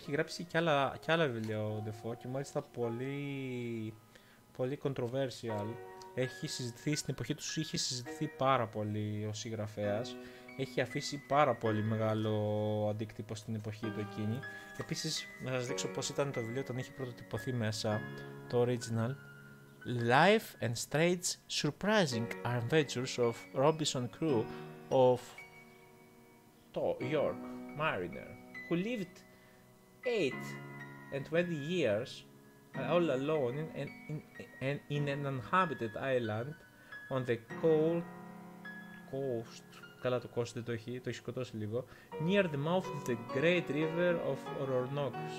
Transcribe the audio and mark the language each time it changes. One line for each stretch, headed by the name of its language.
Greek: Έχει γράψει και άλλα βιβλία ο Ντεφό και μάλιστα πολύ, πολύ controversial. Έχει συζητηθεί στην εποχή του, είχε συζητηθεί πάρα πολύ ο συγγραφέας. Έχει αφήσει πάρα πολύ μεγάλο αντίκτυπο στην εποχή του εκείνη. Επίσης, να σας δείξω πώς ήταν το βιβλίο όταν είχε πρωτοτυπωθεί μέσα, το original.
English: Life and Strange Surprising Adventures of Robinson Crusoe of the York Mariner, who lived 8 and 20 years all alone in an uninhabited island on the cold coast.
Greek: Καλά το κόστο δεν το έχει, το έχει σκοτώσει λίγο.
English: Near the mouth of the great river of Ρορνόκ.